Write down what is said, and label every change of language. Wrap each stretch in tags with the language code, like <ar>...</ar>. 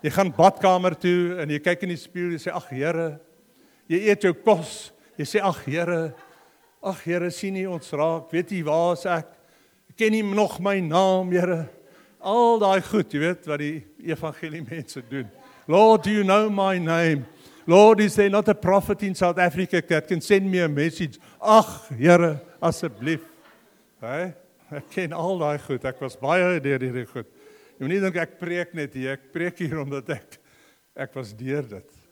<af>Jy gaan badkamer toe en jy kyk in die spieël en jy sê, ach, Here. Jy eet jou kos. Jy sê, ach, Here. Ach, Here, sien nie ons raak. Weet jy, waar is ek? Ken jy nog my naam, Here? Al die goed, jy weet, wat die evangelie mense doen.</af> <en>Lord, do you know my name? Lord, is there not a prophet in South Africa that can send me a message?</en> <af>Ach, Here, asseblief. Hey, ek ken al die goed. Ek was baie deur hierdie goed. Jy moet nie dink ek preek net hier. Ek preek hier omdat ek was deur dit.</af>